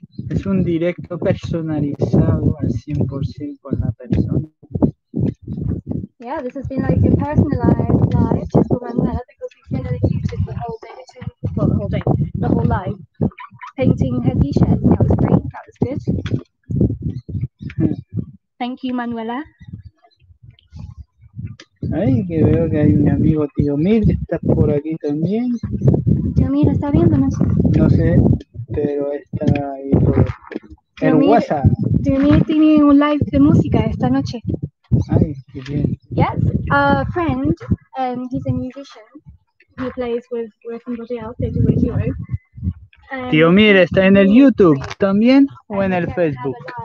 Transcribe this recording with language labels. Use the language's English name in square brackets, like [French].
[Spanish] Es un directo personalizado al 100% con la persona. [English] Yeah, this has been like a personalized live just for Manuela because we've generally used it the whole day. Well, the whole day. The whole live. Painting her t-shirt. That was great. That was good. Thank you, Manuela. [Spanish] Ay, que veo que hay un amigo tío Mir, está por aquí también. Tío Mir, ¿está viéndonos? No sé, pero está ahí por el WhatsApp. Tío Mir tiene un live de música esta noche. Ay, qué bien. [English] Yes, a friend, he's a musician. He plays with somebody else, they do a hero. [Spanish] Tío Mir, ¿está en el YouTube también o en el Facebook?